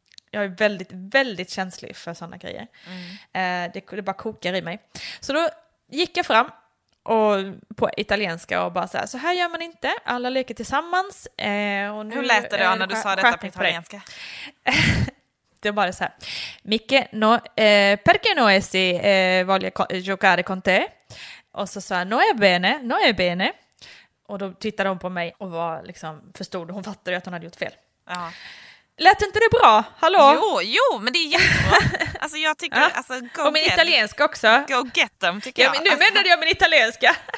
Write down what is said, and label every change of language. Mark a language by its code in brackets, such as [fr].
[sv] jag är väldigt, väldigt känslig för sådana grejer. Det bara kokar i mig. Så då gick jag fram och på italienska och bara så här gör man inte. Alla leker tillsammans. Och nu, hur lät det då när du sa detta på italienska? Det var bara så här. [it] Micke, no, perché no si voglia giocare con te? [sv] Och så sa jag, [it] no è bene. [sv] Och då tittade hon på mig och var, liksom, förstod. Hon fattade att hon hade gjort fel. Ja. Lät inte det bra? Hallå? Jo, men det är jättebra. Alltså jag tycker... alltså, go och min [en] get. [sv] Italienska också. [en] Go get them, [sv] tycker jag. Men nu alltså, menade jag min italienska.